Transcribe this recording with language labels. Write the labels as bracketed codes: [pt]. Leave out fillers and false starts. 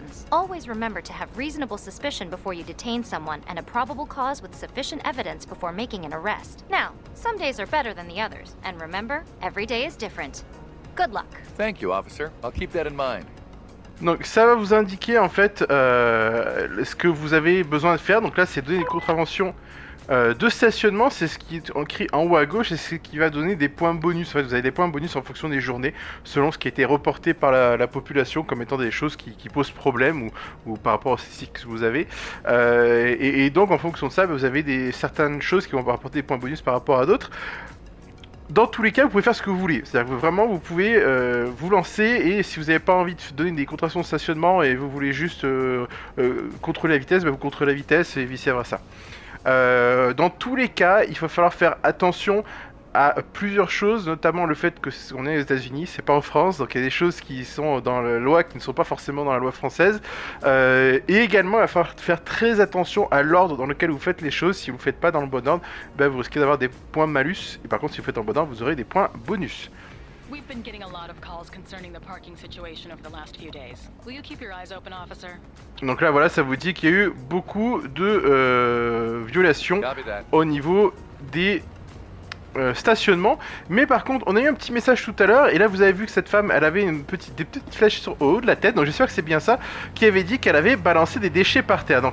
[en] Always remember to have reasonable suspicion before you detain someone and a probable cause with sufficient evidence before making an arrest. Now, some days are better than the others, and remember, every day is different. Good luck. Thank you, officer. I'll keep that in mind. [fr] Donc ça va vous indiquer en fait ce que vous avez besoin de faire. Donc là c'est donner des contraventions de stationnement, c'est ce qui est écrit en haut à gauche et c'est ce qui va donner des points bonus. En fait vous avez des points bonus en fonction des journées selon ce qui a été reporté par la population comme étant des choses qui posent problème ou par rapport aux statistiques que vous avez. Et donc en fonction de ça vous avez certaines choses qui vont rapporter des points bonus par rapport à d'autres. Dans tous les cas, vous pouvez faire ce que vous voulez. C'est-à-dire que vraiment, vous pouvez vous lancer et si vous n'avez pas envie de donner des contraventions de stationnement et vous voulez juste contrôler la vitesse, bah vous contrôlez la vitesse et vice-versa. Dans tous les cas, il va falloir faire attention à plusieurs choses, notamment le fait qu'on est aux États-Unis, c'est pas en France, donc il y a des choses qui sont dans la loi qui ne sont pas forcément dans la loi française. Et également, il va falloir faire très attention à l'ordre dans lequel vous faites les choses. Si vous ne faites pas dans le bon ordre, ben vous risquez d'avoir des points malus. Et par contre, si vous faites dans le bon ordre, vous aurez des points bonus. [en] We've been getting a lot of calls concerning the parking situation over the last few days. Will you keep your eyes open, officer? [fr] Donc là, voilà, ça vous dit qu'il y a eu beaucoup de violations au niveau des stationnement, mais par contre on a eu un petit message tout à l'heure et là vous avez vu que cette femme elle avait des petites flèches sur au haut de la tête, donc j'espère que c'est bien ça, qui avait dit qu'elle avait balancé des déchets par terre.